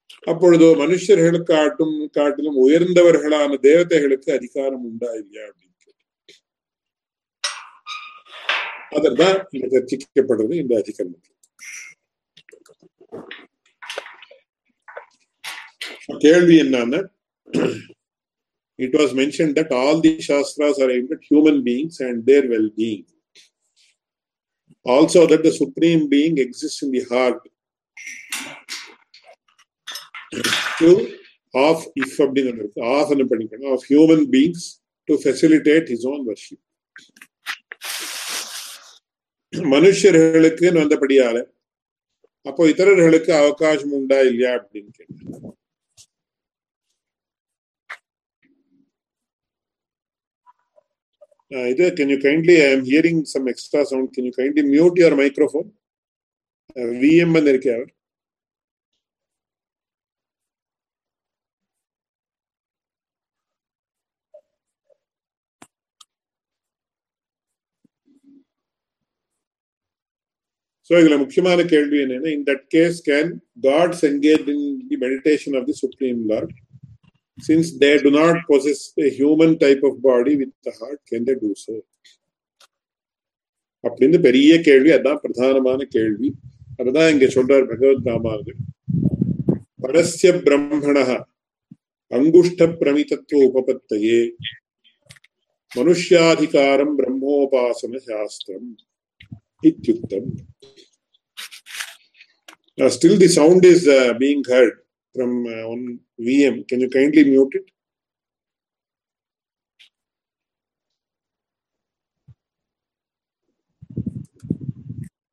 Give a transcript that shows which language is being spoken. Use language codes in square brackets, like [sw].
[ta] அப்பொழுது மனுஷர்களுக்கு ஆட்டும் காட்டிலும் உயர்ந்தவர்களான தேவதைகளுக்கு அதிகாரம் உண்டா இல்லையா அப்படின்னு அதான் இங்க சர்ச்சிக்கப்படுறது இந்த அதிகாரத்தில். கேள்வி என்னன்னா, [en] it was mentioned that all the shastras are aimed at human beings and their well being, also that the supreme being exists in the heart of human beings to facilitate his own worship. [ta] மனுஷர்களுக்கு வந்தபடியால அப்போ இதரர்களுக்கு அவகாசம் உண்டா இல்லையா அப்படின்னு கேட்டாங்க. [en] Can you kindly, I am hearing some extra sound. Can you kindly mute your microphone? VM and there care. So, I will ask you a question. In that case, can gods engage in the meditation of the Supreme Lord? Since they do not possess a human type of body with the heart, can they do so? [ta] அப்படின்னு பெரிய கேள்வி, அதான் பிரதானமான கேள்வி. அதுதான் இங்க சொல்றார் பகவத்காமாவது, [sa] பரஸ்ய பிரம்மண அங்குஷ்ட பிரமிதத்துவ உபபத்தையே மனுஷ்யாதிகாரம் பிரம்மோபாசன சாஸ்திரம் இத்யுக்தம். [en] Still the sound is being heard. From on VM, can you kindly mute it?